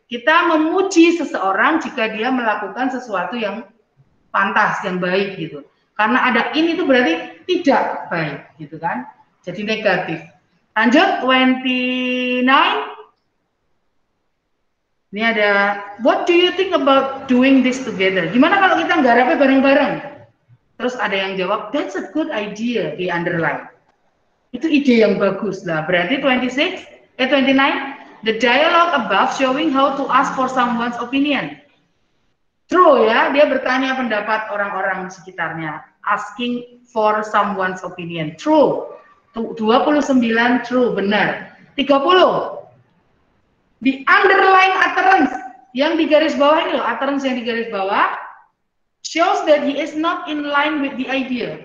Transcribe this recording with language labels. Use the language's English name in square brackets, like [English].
[Indonesian] Kita memuji seseorang jika dia melakukan sesuatu yang pantas, yang baik gitu. Karena ada in itu berarti tidak baik gitu kan, jadi negatif. Lanjut, 29. Ini ada, [English] what do you think about doing this together? [Indonesian] Gimana kalau kita nggarapnya bareng-bareng? Terus ada yang jawab, [English] that's a good idea, [Indonesian] di underline. Itu ide yang bagus lah. Berarti [English] 29, the dialogue above showing how to ask for someone's opinion. [Indonesian] True ya, dia bertanya pendapat orang-orang sekitarnya. [English] Asking for someone's opinion. True. 29 true, benar. 30. The underlying utterance [Indonesian] yang di garis bawah ini loh, [English] utterance [Indonesian] yang di garis bawah [English] shows that he is not in line with the idea.